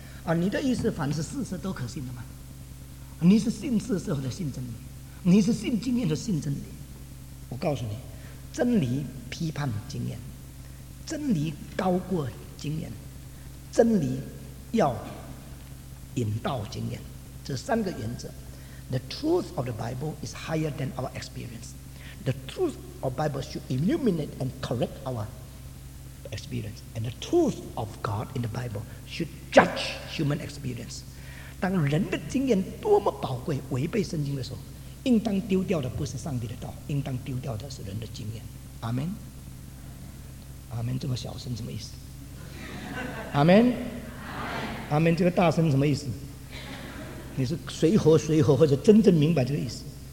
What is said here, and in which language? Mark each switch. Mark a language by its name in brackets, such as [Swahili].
[Chinese] 啊，你的意思凡是事实都可信的吗？你是信事实的信真理，你是信经验的信真理。我告诉你，真理批判经验，真理高过经验，真理要引导经验，这三个原则。 [English] The truth of the Bible is higher than our experience. The truth of the Bible should illuminate and correct our experience. And the truth of God in the Bible should judge human experience. [Chinese] 当人的经验多么宝贵，违背圣经的时候，应当丢掉的不是上帝的道，应当丢掉的是人的经验。阿门。阿门，这么小声什么意思？阿门。阿门，这个大声什么意思？你是随和随和，或者真正明白这个意思？